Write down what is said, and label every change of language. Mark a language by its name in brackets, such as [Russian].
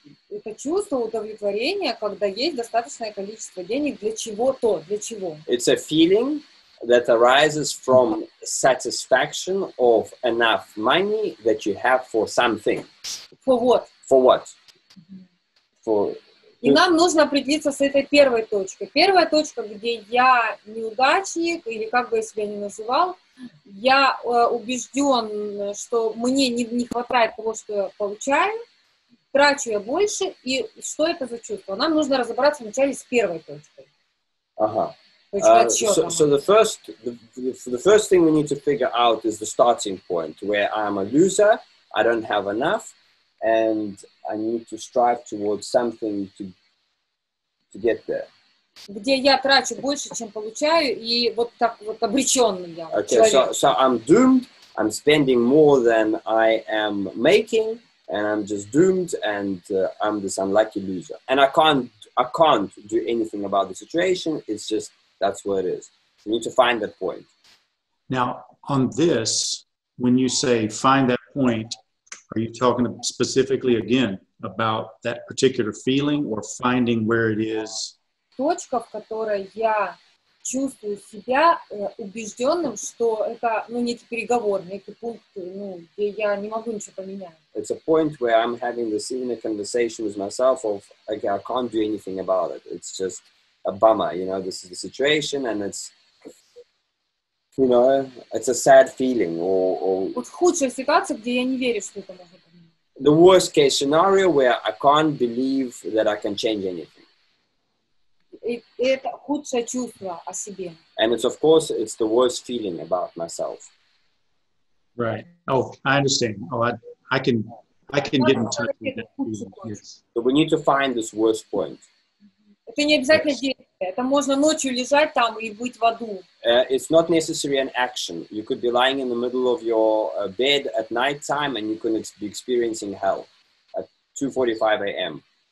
[Russian] Это чувство удовлетворения, когда есть достаточное количество денег для чего-то, для чего? [English] It's a feeling that arises from satisfaction of enough money that you have for something. For what? For what? [Russian] И нам нужно определиться с этой первой точкой. Первая точка, где я неудачник, или как бы я себя ни называл, я убежден, что мне не хватает того, что я получаю, трачу я больше, и что это за чувство? Нам нужно разобраться вначале с первой точкой. Ага. [English] So the first thing we need to figure out is the starting point, where I'm a loser, I don't have enough, and I need to strive towards something to get there. [Russian] Где я трачу больше, чем получаю, и вот так вот обречённый я. [English] Okay, so I'm doomed. I'm spending more than I am making, and I'm just doomed, and I'm this unlucky loser. And I can't do anything about the situation. It's just that's what it is. You need to find that point. Now, on this, when you say find that point, are you talking specifically again about that particular feeling or finding where it is? [Russian] Точка, в которой я чувствую себя убежденным, что это, ну, не переговорный, это пункт, ну, где я не могу ничего поменять. [English] It's a point where I'm having this inner conversation with myself of, okay, I can't do anything about it. It's just a bummer, you know, this is the situation, and it's, you know, it's a sad feeling, or [Russian] вот худшая ситуация, где я не верю, что это может поменять. [English] The worst case scenario where I can't believe that I can change anything. [Russian] Это худшее чувство о себе. [English] And it's, of course, it's the worst feeling about myself. Right. Oh, I understand. Oh, I can get in touch with that feeling. Yes. So we need to find this worst point. [Russian] Это не обязательно действие. Это можно ночью лежать там и быть в аду. [English] It's not necessary an action. You could be lying in the middle of your bed at night time and you could be experiencing hell at 2:45 a.m.